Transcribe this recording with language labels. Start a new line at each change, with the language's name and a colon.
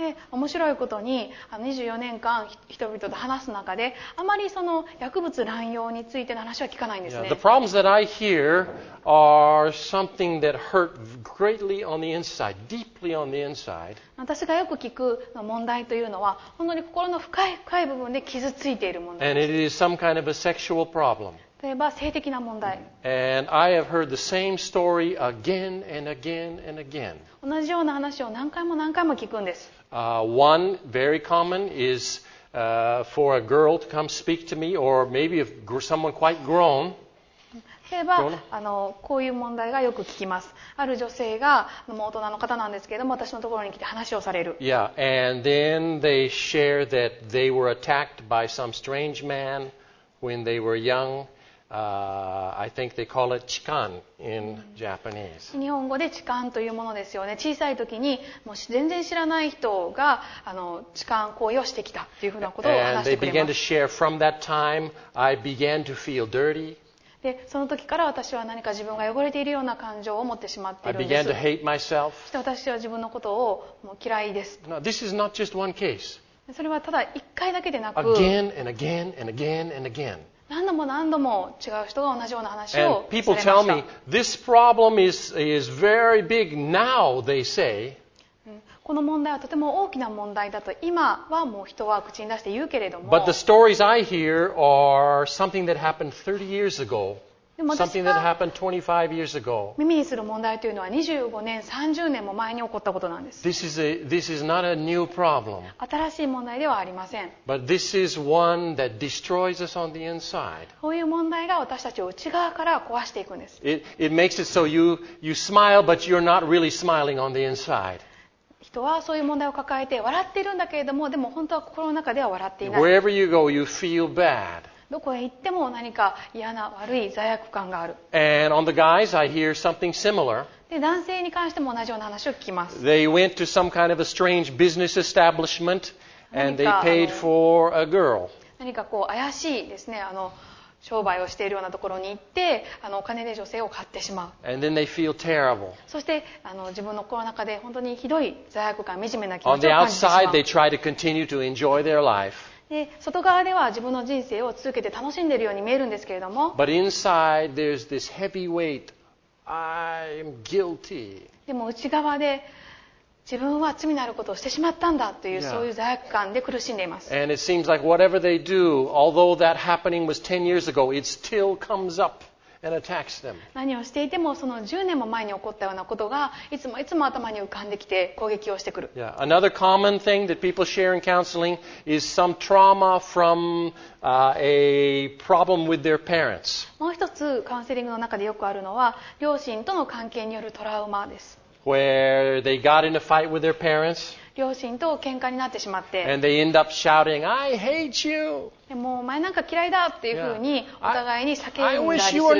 Japanese: 面白いことに24年間人々と話す中であまりその薬物乱用についての話は聞かないんですね。
English: Yeah, The problems that I hear are something that hurt greatly on the inside, deeply on the inside.
Japanese: 私がよく聞く問題というのは本当に心の深い部分で傷ついている問題です。
English: And it is some kind of a sexual problem.
Japanese: 例えば性的な問題。
English: And I have heard the same story again and again and again.
Japanese: 同じような話を何回も何回も聞くんです。
English: One very common is for a girl to come speak to me, or maybe if someone quite grown.
Japanese: 例えばこういう問題がよく聞きます。ある女性が大人の方なんですけれども、私のところに来て話をされる。
English: Yeah, and then they share that they were attacked by some strange man when they were young. I think they call it chikan in Japanese.
Japanese: 日本語で痴漢というものですよね。小さい時にもう全然知らない人が痴漢行為をしてきたというふうなことを話してくれます。
English: And they began to share from that time, I began to feel dirty.
Japanese: で、その時から私は何か自分が汚れているような感情を持ってしまっているんです。
English: I began to hate myself.
Japanese: そして私は自分のことをもう嫌いです。
English: Now, this is not just one case.
Japanese: それはただ一回だけでなく、
English: again and again and again and again.
Japanese: 何度も何度も違う人が同じような話をされました。
English: And people tell me, this problem is very big now, they say.
Japanese: この問題はとても大きな問題だと今はもう人は口に出して言うけれども。
English: But the stories I hear are something that happened 30 years ago. Something that happened 25 years ago.
Japanese: 耳にする問題というのは25年、30年も前に起こったことなんです。
English: This is not a new problem.
Japanese: 新しい問題ではありません。
English: But this is one that destroys us on the inside.
Japanese: こういう問題が私たちを内側から壊していくんです。
English: It makes it so you smile, but you're not really smiling on the inside.
Japanese: 人はそういう問題を抱えて笑っているんだけれども、でも本当は心の中では笑っていない。
English: Wherever you go, you feel bad.
Japanese: どこへ行っても何か嫌な悪い罪悪感がある。
English: And on the guys, I hear something similar.
Japanese: で、男性に関しても同じような話を聞きます。
English: They went to some kind of a strange business establishment and they paid for a girl.
Japanese: 何かこう怪しいですね、商売をしているようなところに行って、お金で女性を買ってしまう。
English: And then they feel terrible.
Japanese: そして自分の心の中で本当にひどい罪悪感、惨めな気持ちを感じてしまう。
English: On the outside, they try to continue to enjoy their life.
Japanese: で、外側では自分の人生を続けて楽しんでいるように見えるんですけれども。
English: But inside, there's this heavy weight. I'm guilty.
Japanese: でも内側で自分は罪のあることをしてしまったんだという、yeah. そういう罪悪感で苦しんでいます。
English: And it seems like whatever they do, although that happening was 10 years ago, it still comes up and attacks them.
Japanese: 何をしていてもその10年も前に起こったようなことがいつもいつも頭に浮かんできて攻撃をしてくる。
English: Yeah. Another common thing that people share in counseling is some trauma from a problem with their parents.
Japanese: もう一つカウンセリングの中でよくあるのは両親との関係によるトラウマです。
English: Where they got in a fight with their parents,
Japanese: 両親と喧嘩になってしまって、
English: and they end up shouting, "I hate you!"
Japanese: でもお前なんか嫌いだっていうふうにお互いに叫んだりする状態。